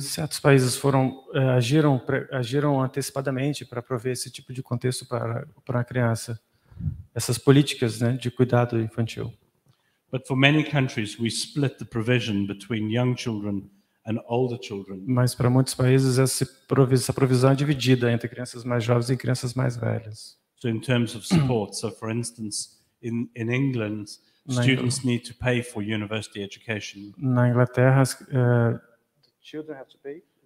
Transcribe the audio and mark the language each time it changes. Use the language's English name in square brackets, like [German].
[Portuguese] Certos países agiram antecipadamente para prover esse tipo de contexto para a criança, essas políticas, né, de cuidado infantil. [English] But for many countries, we split the provision between young children and older children. [Portuguese] Mas para muitos países essa provisão é dividida entre crianças mais jovens e crianças mais velhas. [English] So in terms of support, so for instance, in England, students need to pay for university education. [Portuguese] Na Inglaterra, [English] the children have to pay.